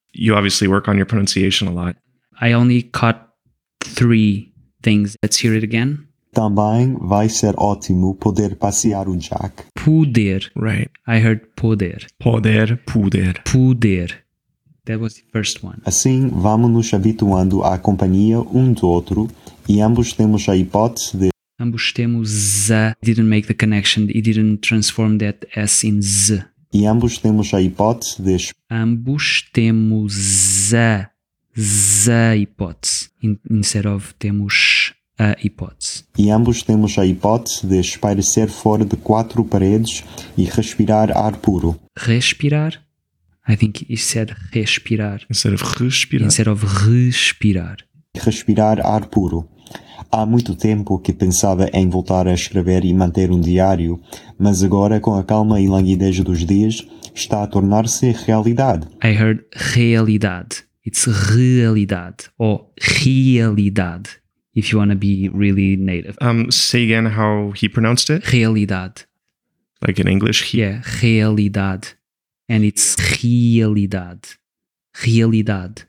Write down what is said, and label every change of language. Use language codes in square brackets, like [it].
[en] You obviously work on your pronunciation a lot. I only caught three things. Let's hear it again. [pt] Também vai ser ótimo poder passear o Jack. Poder. [en] Right. I heard poder. [pt] Poder, poder. [en] Poder. That was the first one. [pt] Assim, vamos nos habituando à companhia um do outro e ambos temos a hipótese de... Ambos temos a... [en] Didn't make the connection. He didn't transform that S in Z. [pt] E ambos temos a hipótese de... Ambos temos a... Z hipótese. [en] Instead of [pt] temos a hipótese. E ambos temos a hipótese de espairecer fora de quatro paredes e respirar ar puro. [en] Respirar? I think he said respirar. Instead of respirar. Instead of respirar. [pt] Respirar ar puro. Há muito tempo que pensava em voltar a escrever e manter um diário, mas agora, com a calma e languidez dos dias, está a tornar-se realidade. [en] I heard realidade. It's realidade. Ou realidade, if you want to be really native. Say again how he pronounced it. [pt] Realidade. [en] Like in English? Yeah, realidade. And it's realidade. Realidade.